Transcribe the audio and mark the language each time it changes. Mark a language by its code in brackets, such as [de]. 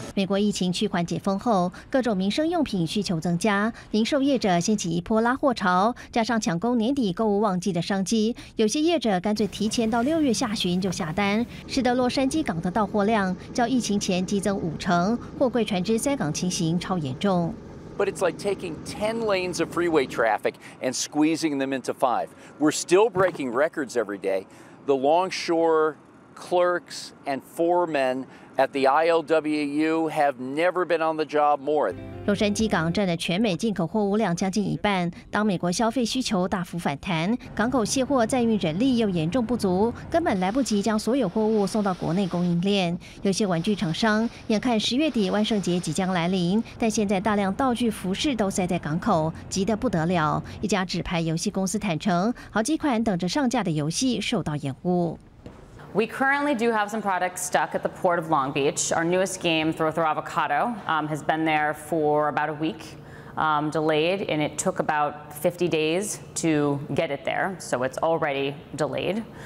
[zh] 美国疫情趋缓解封后，各种民生用品需求增加，零售业者掀起一波拉货潮，加上抢攻年底购物旺季的商机，有些业者干脆提前到6月下旬就下单，使得洛杉矶港的到货量较疫情前激增50%，货柜船只塞港情形超严重。 [en] but it's like taking 10 lanes of freeway traffic and squeezing them into five. We're still breaking records every day. The longshore clerks and foremen at the ILWU have never been on the job more. [zh] 洛杉矶港占的全美进口货物量将近一半。当美国消费需求大幅反弹，港口卸货载运人力又严重不足，根本来不及将所有货物送到国内供应链。有些玩具厂商眼看十月底万圣节即将来临，但现在大量道具、服饰都塞在港口，急得不得了。一家纸牌游戏公司坦承，好几款等着上架的游戏受到延误。 [en] We currently do have some products stuck at the port of Long Beach. Our newest game, Throw Throw Avocado, has been there for about a week, delayed, and it took about 50 days to get it there, so it's already delayed.